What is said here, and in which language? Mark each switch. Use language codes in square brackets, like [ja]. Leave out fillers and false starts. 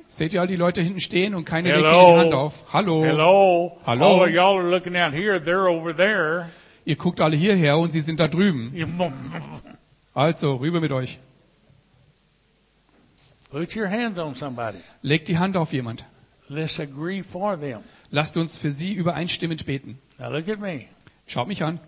[de] Seht ihr all die Leute hinten stehen und keiner legt die Hand auf? Hallo. [en] Hello. [de] Hallo. [en] All y'all are looking out here, they're over there. [de] Ihr guckt alle hierher und sie sind da drüben. Also, rüber mit euch. [en] Put your hands on somebody. [de] Legt die Hand auf jemand. [en] Let's agree for them. [de] Lasst uns für sie übereinstimmend beten. [en] Now look at me. [de] Schaut mich an.